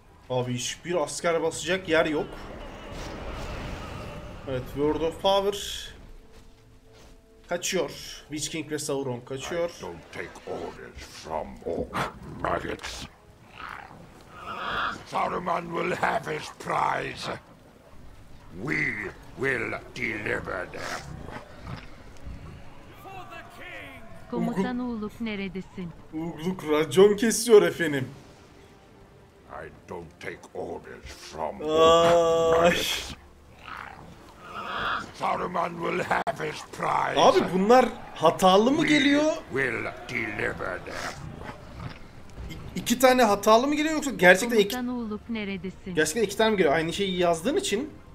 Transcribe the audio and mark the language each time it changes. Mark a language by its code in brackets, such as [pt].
[tr] Abi hiçbir asker basacak yer yok. Evet, World of Power kaçıyor. Witch King ve Sauron kaçıyor. [en] I don't take orders from orc maggots. Saruman will have his prize. We will deliver them. For the king. [tr] Komutan Uğluk neredesin? Uğluk racon kesiyor efendim. [en] I don't take orders from Uğluk. Saruman will have his prize. [tr] Abi bunlar hatalı mı geliyor? [en] We will deliver them. [tr] İki tane hatalı mı geliyor yoksa gerçekten iki... Uğluk neredesin? Gerçekten iki tane mi geliyor? Aynı şeyi yazdığın için.